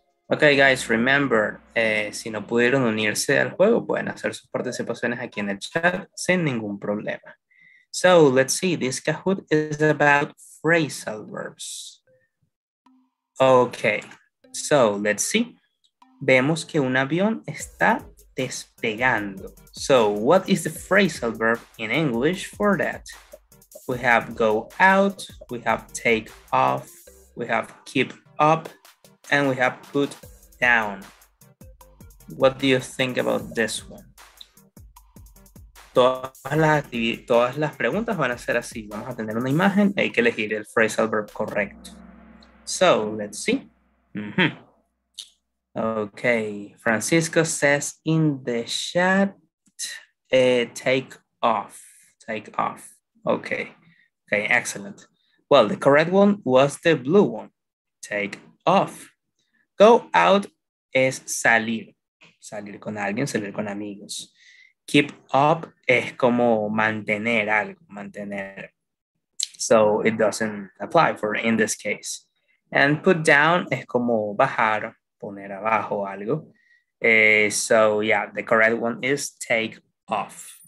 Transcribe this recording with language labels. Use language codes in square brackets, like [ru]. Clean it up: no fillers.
[en] Okay, guys, remember, [es] si no pudieron unirse al juego, pueden hacer sus participaciones aquí en el chat sin ningún problema. [en] So, let's see, this Kahoot is about phrasal verbs. Okay, so, let's see. [es] Vemos que un avión está despegando. [en] So, what is the phrasal verb in English for that? We have go out, we have take off, we have keep up, and we have put down. What do you think about this one? [es] Todas las preguntas van a ser así. Vamos a tener una imagen. Hay que elegir el phrasal verb correcto. [en] So, let's see. Mm-hmm. Okay. Francisco says in the chat, take off. Take off. Okay. Okay, excellent. Well, the correct one was the blue one. Take off. [es] Go out es salir, salir con alguien, salir con amigos. Keep up es como mantener algo, mantener. [en] So it doesn't apply for in this case. And put down [es] es como bajar, poner abajo algo. [en] So yeah, the correct one is take off.